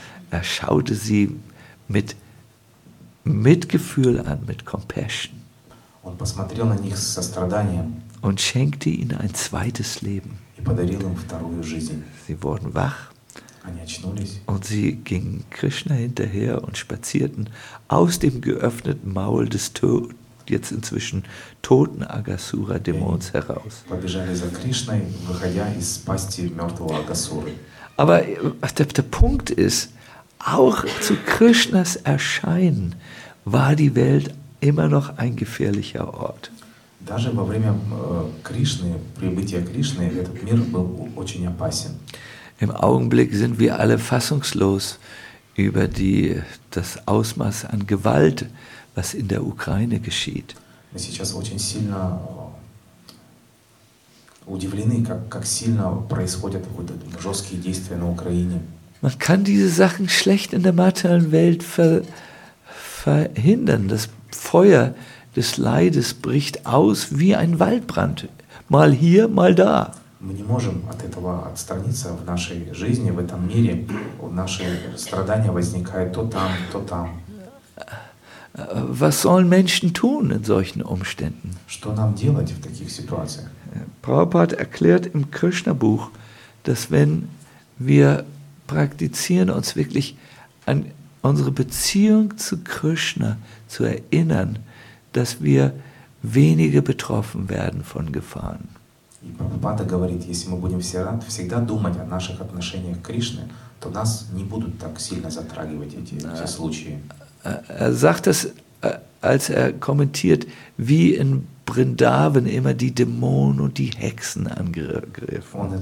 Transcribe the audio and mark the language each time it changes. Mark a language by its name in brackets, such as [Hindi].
[German] Er schaute sie mit Mitgefühl an, mit Compassion. [Russian] Он посмотрел на них со страданием. [German] Und schenkte ihnen ein zweites Leben. [Russian] И подарил им вторую жизнь. [German] Sie wurden wach. [Russian] Они очнулись. [German] Und sie gingen Krishna hinterher und spazierten aus dem geöffneten Maul des jetzt inzwischen toten Agasura-Dämons heraus. [Russian] Побежали за Кришной, выходя из пасти мертвого Агасуры. [German] Aber der Punkt ist, auch zu Krishnas Erscheinen war die Welt immer noch ein gefährlicher Ort. [Russian] Даже во время Кришны, прибытия Кришны, этот мир был очень опасен. [German] Im Augenblick sind wir alle fassungslos über das Ausmaß an Gewalt, was in der Ukraine geschieht. Wir sind jetzt [Russian] очень сильно удивлены, как сильно происходят вот эти жесткие действия на Украине. [German] Man kann diese Sachen schlecht in der materiellen Welt verhindern. Das Feuer des Leides bricht aus wie ein Waldbrand. Mal hier, mal da. [Russian] Мы не можем от этого отстраниться в нашей жизни, в этом мире. Наши страдания возникают то там, то там. [German] Was sollen Menschen tun in solchen Umständen? [Russian] Что нам делать в таких ситуациях? [German] Prabhupada erklärt im Krishna-Buch, dass wenn wir praktizieren, uns wirklich an unsere Beziehung zu Krishna zu erinnern, dass wir weniger betroffen werden von Gefahren. [Russian] Prabhupada говорит, если мы будем всегда думать о наших отношениях к Кришне, то нас не будут так сильно затрагивать эти случаи. [German] Er sagt das, als er kommentiert, wie in Vrindavan immer die Dämonen und die Hexen angegriffen.